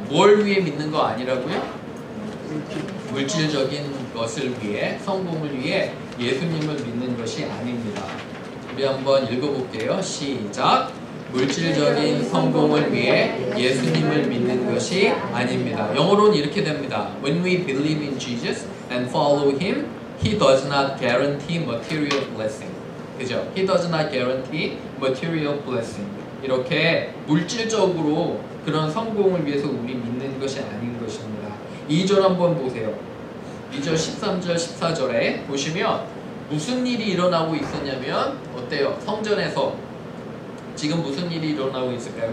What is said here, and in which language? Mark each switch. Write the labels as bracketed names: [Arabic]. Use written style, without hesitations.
[Korean] 뭘 위해 믿는 거 아니라고요? 물질적인 것을 위해 성공을 위해 예수님을 믿는 것이 아닙니다. 우리 한번 읽어볼게요. 시작. 물질적인 성공을 위해 예수님을 믿는 것이 아닙니다. 영어로는 이렇게 됩니다. [English] When we believe in Jesus and follow him, he does not guarantee material blessing. [Korean] 그죠? [English] He does not guarantee material blessing. [Korean] 이렇게 물질적으로 그런 성공을 위해서 우리 믿는 것이 아닌 것입니다. 2절 한번 보세요. 2절 13절 14절에 보시면 무슨 일이 일어나고 있었냐면 어때요? 성전에서 지금 무슨 일이 일어나고 있을까요?